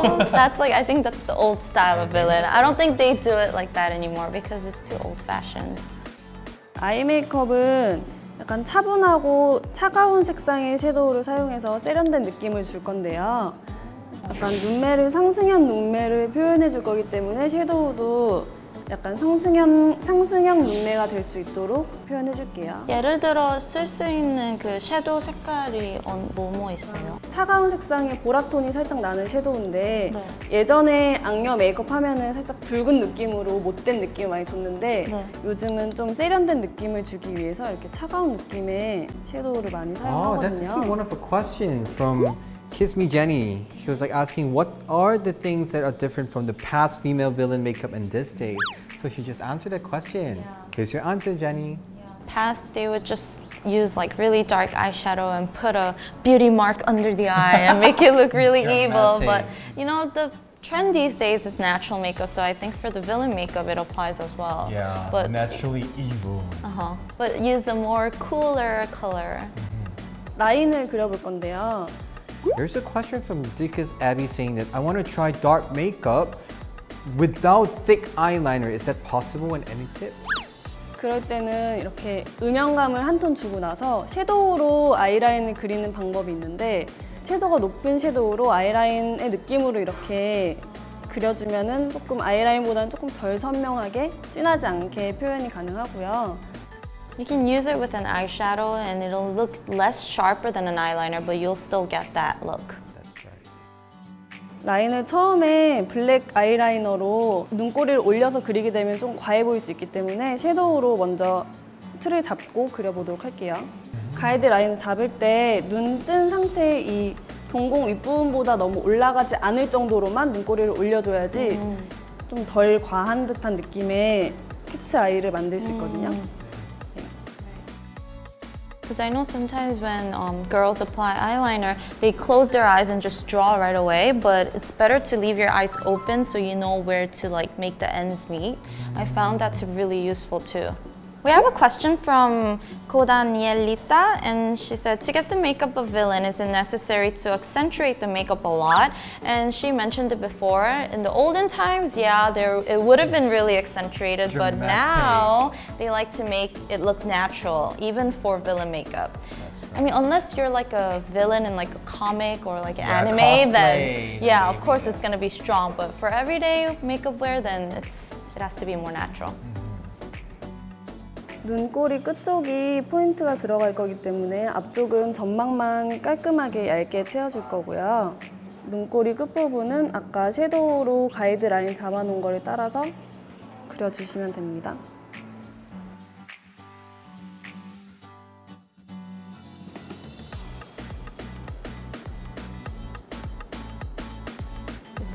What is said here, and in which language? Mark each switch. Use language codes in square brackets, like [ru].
[en] That's like, I think that's the old style of villain. I don't think they do it like that anymore because it's too old fashioned. [ko] 아이 메이크업은 약간 차분하고 차가운 색상의 섀도우를 사용해서 세련된 느낌을 줄 건데요. 약간 눈매를 상승형 눈매를 표현해 줄 거기 때문에 섀도우도 약간 상승형 눈매가 될 수 있도록 표현해 줄게요. 예를 들어 쓸 수 있는 그 섀도우 색깔이 뭐 있어요? 차가운 색상의 보라톤이 살짝 나는 섀도우인데 네. 예전에 악녀 메이크업 하면은 살짝 붉은 느낌으로 못된 느낌을 많이 줬는데 네. 요즘은 좀 세련된 느낌을 주기 위해서 이렇게 차가운 느낌의 섀도우를 많이 사용하거든요. [en] That's actually one of a question from Kiss Me Jenny. He was like asking, what are the things that are different from the past female villain makeup in this day? So she just answered that question. Yeah. Here's your answer, Jenny. Yeah. Past, they would just use like really dark eyeshadow and put a beauty mark under the eye and make it look really evil. But you know, the trend these days is natural makeup. So I think for the villain makeup, it applies as well. Yeah, but naturally evil. Uh-huh. But use a more cooler color. [ko] Mm-hmm. 라인을 그려볼 건데요. [en] There's a question from Dickus Abby saying that I want to try dark makeup without thick eyeliner. Is that possible? And any tips? [ko] 그럴 때는 이렇게 음영감을 한 톤 주고 나서 섀도우로 아이라인을 그리는 방법이 있는데 채도가 높은 섀도우로 아이라인의 느낌으로 이렇게 그려주면은 조금 아이라인보다는 조금 덜 선명하게 진하지 않게 표현이 가능하고요. [en] You can use it with an eyeshadow and it'll look less sharper than an eyeliner, but you'll still get that look. Right. [ko] 라인을 처음에 블랙 아이라이너로 눈꼬리를 올려서 그리게 되면 좀 과해 보일 수 있기 때문에 섀도우로 먼저 틀을 잡고 그려보도록 할게요. 가이드 라인을 잡을 때 눈 뜬 상태의 이 동공 윗부분보다 너무 올라가지 않을 정도로만 눈꼬리를 올려줘야지 좀 덜 과한 듯한 느낌의 키츠 아이를 만들 수 있거든요. [en] Because I know sometimes when girls apply eyeliner, they close their eyes and just draw right away. But it's better to leave your eyes open so you know where to like make the ends meet. I found that to be really useful too. We have a question from Codanielita, and she said, to get the makeup a villain, is it necessary to accentuate the makeup a lot? And she mentioned it before, in the olden times, yeah, there it would have been really accentuated, dramatic. But now they like to make it look natural, even for villain makeup. I mean, unless you're like a villain in like a comic or like an anime, then yeah, of course it's gonna be strong, but for everyday makeup wear, then it has to be more natural. [ko] 눈꼬리 끝쪽이 포인트가 들어갈 거기 때문에 앞쪽은 점막만 깔끔하게 얇게 채워줄 거고요. 눈꼬리 끝부분은 아까 섀도우로 가이드라인 잡아놓은 거를 따라서 그려주시면 됩니다. Mm-hmm.